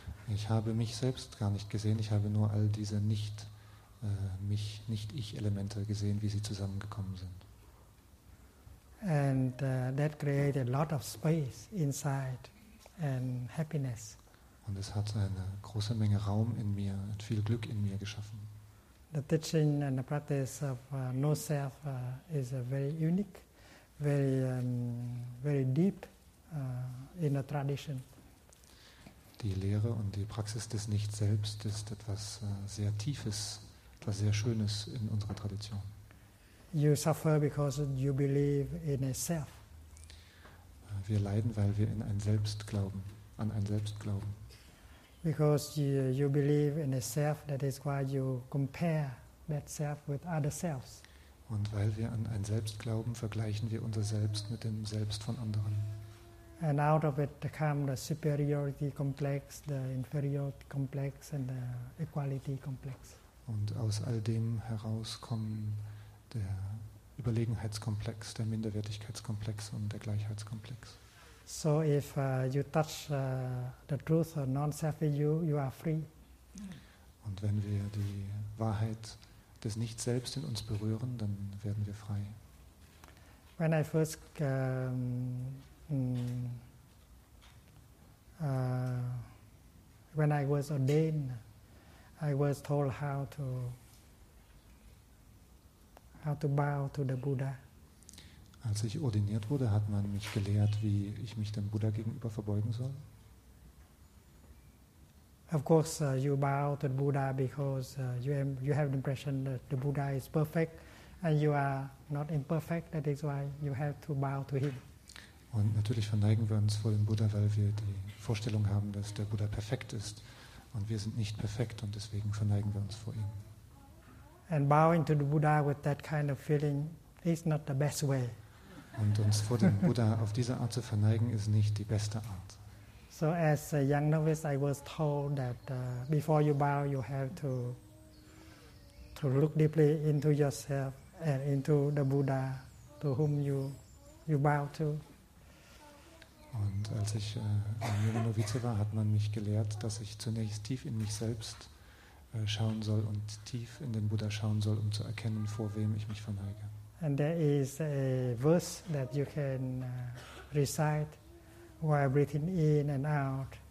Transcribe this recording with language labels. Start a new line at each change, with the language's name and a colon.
German: Ich habe mich selbst gar nicht gesehen. Ich habe nur all diese Nicht-Ich-Elemente gesehen, wie sie zusammengekommen sind.
English: And that created a lot of space inside and happiness.
German: Und es hat eine große Menge Raum in mir und viel Glück in mir geschaffen.
English: The teaching and the practice of no self is a very unique, very very deep in the tradition.
German: Die Lehre und die Praxis des Nicht-Selbst ist etwas sehr Tiefes, etwas sehr Schönes in unserer Tradition.
English: You suffer because you believe in a self.
German: Wir leiden, weil wir in ein Selbst glauben, an ein Selbst glauben.
English: Because you believe in a self, that is why you compare that self with other selves.
German: Und weil wir an ein Selbst glauben, vergleichen wir unser Selbst mit dem Selbst von anderen.
English: And out of it come the superiority complex, the inferiority complex, and the equality complex.
German: Und aus all dem heraus kommen der Überlegenheitskomplex, der Minderwertigkeitskomplex und der Gleichheitskomplex.
English: So if you touch the truth or non-self in you, you are free.
German: Und wenn wir die Wahrheit des Nicht-Selbst in uns berühren, dann werden wir frei.
English: When I first when I was ordained, I was told how to bow to the Buddha.
German: Als ich ordiniert wurde, hat man mich gelehrt, wie ich mich dem Buddha gegenüber verbeugen soll.
English: Of course, you bow to the Buddha because you have the impression that the Buddha is perfect, and you are not imperfect. That is why you have to bow to him.
German: Und natürlich verneigen wir uns vor dem Buddha, weil wir die Vorstellung haben, dass der Buddha perfekt ist. Und wir sind nicht perfekt und deswegen verneigen wir uns vor ihm.
English: And bowing to the Buddha with that kind of feeling is not the best way.
German: Und uns vor dem Buddha auf diese Art zu verneigen, ist nicht die beste Art.
English: So as a young novice, I was told that before you bow, you have to look deeply into yourself and into the Buddha to whom you bow to.
German: Und als ich ein junger Novize war, hat man mich gelehrt, dass ich zunächst tief in mich selbst schauen soll und tief in den Buddha schauen soll, um zu erkennen, vor wem ich mich verneige.
English: And there is a verse that you can recite while breathing in and out.